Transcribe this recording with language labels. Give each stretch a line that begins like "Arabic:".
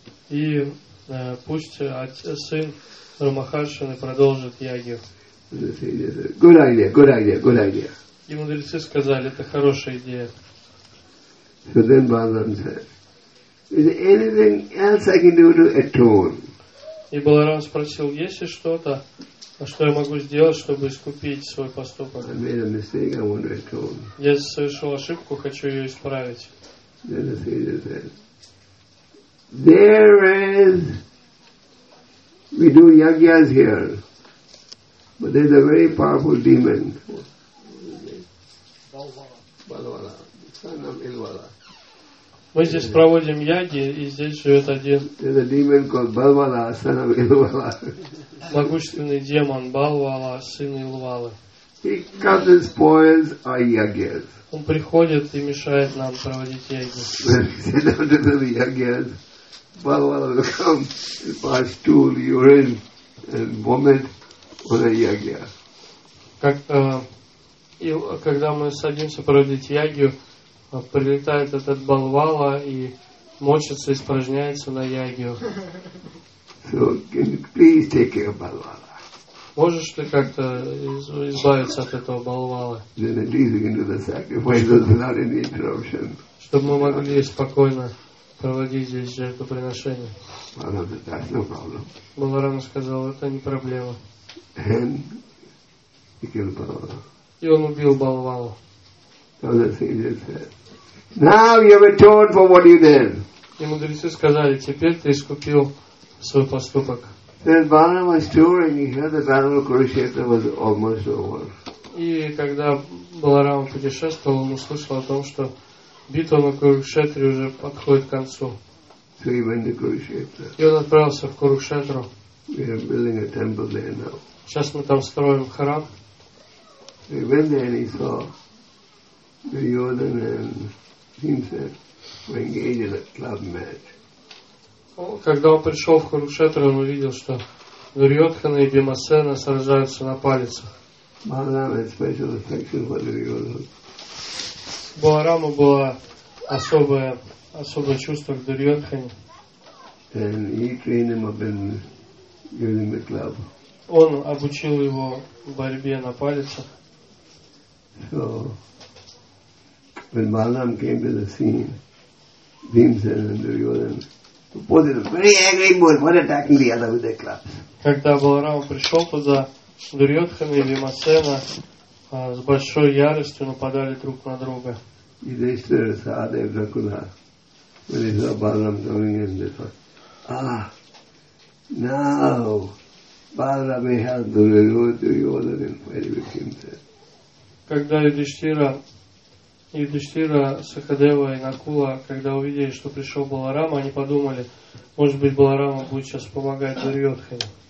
Russian: И пусть сын Рамахаршаны продолжит ягью.
English: Good idea.
Russian: И мудрецы сказали, это хорошая идея.
English: So then Balaram said, Is there anything else I can do to atone?
Russian: И Баларам спросил, есть ли что-то, что я могу сделать, чтобы искупить свой поступок?
English: I made a mistake, I want to atone.
Russian: Я совершил ошибку, хочу ее исправить.
English: Then the sages said, There is, we do yagyas here, but there's a very powerful demon. Balwala, son of Ilwala.
Russian: Мы здесь проводим яги, и здесь живет один.
English: There's a demon called Balwala, son of Ilwala.
Russian: Могущественный демон Балвала, сын Илвалы.
English: He comes and spoils our yagyas.
Russian: Он приходит и мешает нам проводить яги.
English: When he sits down to do the yagyas, Balwala will come and pass stool, urine, and vomit on a yagya.
Russian: Когда мы садимся проводить ягью, прилетает этот Балвала и мочится, испражняется на ягью.
English: So, can you please take care of Balwala?
Russian: Можешь ты как-то избавиться от этого Балвала?
English: Then at least we can do the sacrifice without any interruption.
Russian: Чтобы мы могли спокойно проводить здесь жертвоприношение.
English: That's no problem.
Russian: Баларама сказал, это не проблема.
English: And he killed Balwala.
Russian: И он убил Балвалу.
English: So the sages said, Now you have atoned for what you did.
Russian: И мудрецы сказали, теперь ты искупил свой поступок.
English: Then Balaram was touring, he heard the battle of Kurukshetra was almost over.
Russian: И когда Баларам путешествовал, он услышал о том, что битва на Курукшетре уже подходит к концу.
English: So he went to Kurukshetra.
Russian: И он отправился в Курукшетру.
English: We are building a temple there now.
Russian: Сейчас мы там строим храм.
English: He went there and he saw Duryodhana and Bhimsena were engaged in a club match.
Russian: Когда он пришел в Курукшетру, он увидел, что Дурьодхана и Бхимасена сражаются на палицах.
English: Баларама had special affection for Duryodhana.
Russian: Баларама было особое чувство к Дурьодхане.
English: And he trained him up in using the club.
Russian: Он обучил его борьбе на палицах.
English: So, when Balaram came to the scene, Bhimsena and Duryodhana both in a very angry mood, one attacking the other with their clubs.
Russian: Когда Баларама пришел туда, Дурьодхана и Бхимасена с большой яростью нападали друг на друга.
English: Yudhishthira, Sahadev, Nakula, when he saw Balaram coming in, they thought, now Balaram may help Duryodhana in fighting with Bhimsena.
Russian: Когда Юдиштира, Сахадева и Накула, когда увидели, что пришел Баларама, они подумали, может быть, Баларама будет сейчас помогать Дурьодхане.